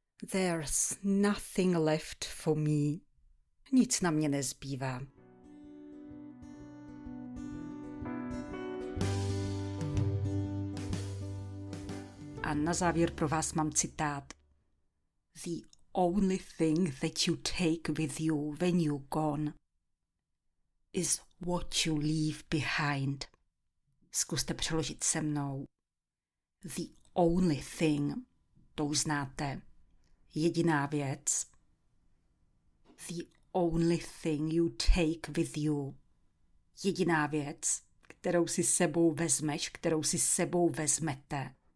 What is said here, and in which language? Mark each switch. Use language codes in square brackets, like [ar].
[en] There's nothing left for me. [cs] Nic na mě nezbývá. A na závěr pro vás mám citát. [en] The only thing that you take with you when you're gone is what you leave behind. [cs] Zkuste přeložit se mnou. [en] The only thing, [cs] to uznáte. Jediná věc. [en] The only thing you take with you. [cs] Jediná věc, kterou si sebou vezmeš, kterou si sebou vezmete.